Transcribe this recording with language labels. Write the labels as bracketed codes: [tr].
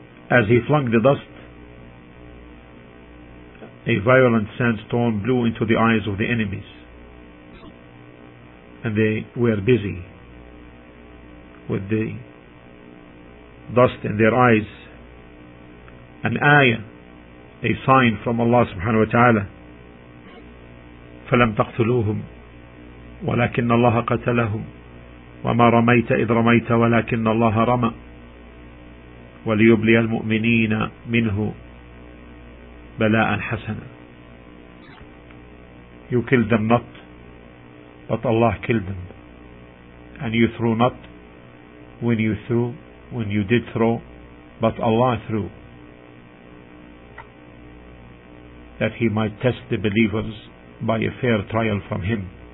[en] As he flung the dust, a violent sandstorm blew into the eyes of the enemies, and they were busy with the dust in their eyes. An ayah, a sign from Allah subhanahu wa ta'ala, [ar] فَلَمْ تَقْتُلُوهُمْ وَلَكِنَّ اللَّهَ قَتَلَهُمْ وَمَا رَمَيْتَ إِذْ رَمَيْتَ وَلَكِنَّ اللَّهَ رَمَى وَلِيُبْلِيَ الْمُؤْمِنِينَ مِنْهُ بَلَاءً حَسَنًا. [en] You killed them not, but Allah killed them. And you threw not when you did throw, but Allah threw, that he might test the believers by a fair trial from him.